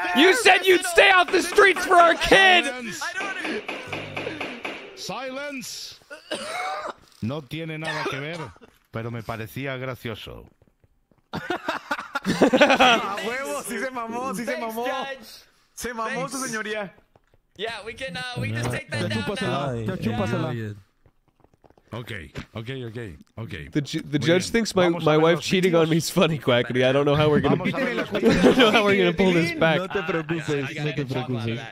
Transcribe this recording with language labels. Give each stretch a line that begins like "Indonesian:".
English: You said you'd stay off the streets for our kid! Silence!
Spanish: No tiene nada que ver, pero me parecía gracioso. A huevo, sí se mamó, sí se mamó. Se mamó su señoría.
English: Yeah, we can just take that down now. Okay. The judge thinks my wife cheating on me is funny, Quackity. I don't know how we're gonna pull this back.
Spanish: No te preocupes. No te preocupes.